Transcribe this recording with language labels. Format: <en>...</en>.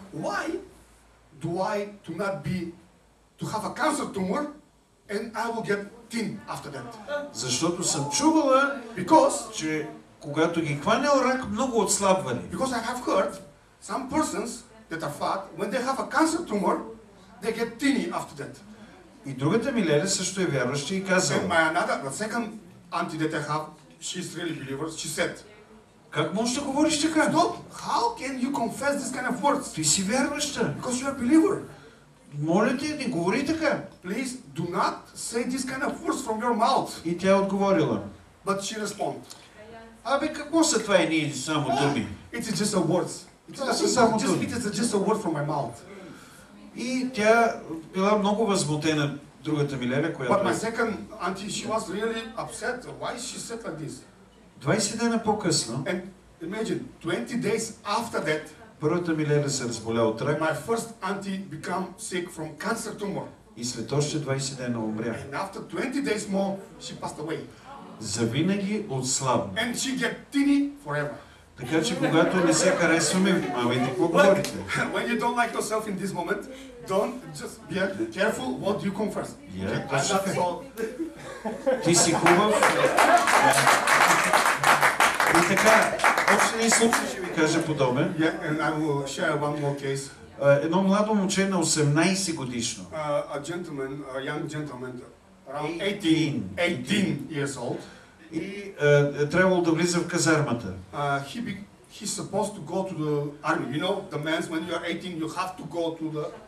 <en>Why do I to not be to have a cancer tumor and I will get thin after that?</en> <bg>Защото съм чувала,</bg> <en>because</en> <bg>че когато ги хване рак, много отслабвали.</bg> <en>Because I have heard some persons that are fat when they have a cancer tumor they get thin after that.</en> <bg>И другата ми леля също е вярваща и казва.</bg> <en>My another, the second auntie that I have, she is really believer, she said.</en> <bg>Как можеш да говориш така?</bg> <en>Stop. How can you confess this kind of words?</en> <bg>Ти си вярваща.</bg> <en>Because you are a believer.</en> <bg>Моля ти, не говори така.</bg> <en>Please do not say this kind of words from your mouth.</en> <bg>И тя отговорила.</bg> <en>But she respond.</en> <bg>Абе какво са това и ние само думи?</bg> <en>It is just a words. It is just a word from my mouth.</en> <bg>И тя била много възмутена, другата ми леля, която...</bg> <en>But my second auntie, she was really upset. Why she said like this?</en> <bg>20 дена по-късно...</bg> <en>And imagine, 20 days after that,</en> <bg>Първата ми леля се разболя от рак.</bg> <en>My first auntie became sick from cancer tumor.</en> <bg>И след още 20 дена умря.</bg> <en>And after 20 days more, she passed away.</en> <bg>Завинаги отслабна.</bg> <en>And she get teeny forever.</en> <bg>Така че когато не се харесваме, а вие какво говорите?</bg> <en>When you don't like yourself in this moment, don't just be careful what you confess. Yeah, okay.</en> <bg>Ти си хубав. И така, още един случай ще ви кажа подобен.</bg> <en>Yeah, and I will share one more case.</en> <bg>Едно младо момче на 18 годишно.</bg> <en>A gentleman, a young gentleman, around 18 years old.</en> <bg>И трябвало да влиза в казармата.</bg> <en>He's supposed to go to the army. You know, the men, when you are 18, you have to go to the</en>